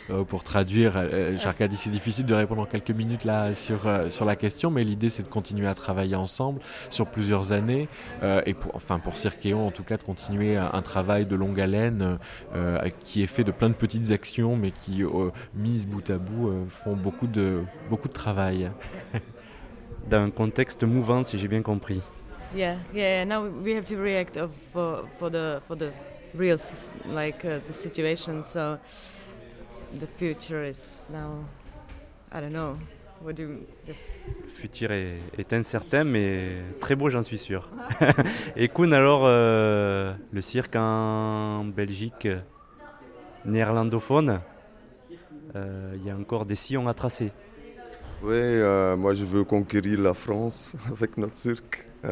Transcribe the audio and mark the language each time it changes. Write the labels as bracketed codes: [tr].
[fr] Pour traduire, Charka dit c'est difficile de répondre en quelques minutes là sur la question, mais l'idée c'est de continuer à travailler ensemble sur plusieurs années pour Circeon en tout cas de continuer un travail de longue haleine qui est fait de plein de petites actions mais qui mises bout à bout font beaucoup de travail dans un contexte mouvant si j'ai bien compris. [en] Yeah, now we have to react for the real the situation, so the future is now, I don't know, what do you just... [fr] Futur est incertain, mais très beau, j'en suis sûr. Et Kuhn, alors, le cirque en Belgique néerlandophone, il y a encore des sillons à tracer. Oui, moi je veux conquérir la France avec notre cirque.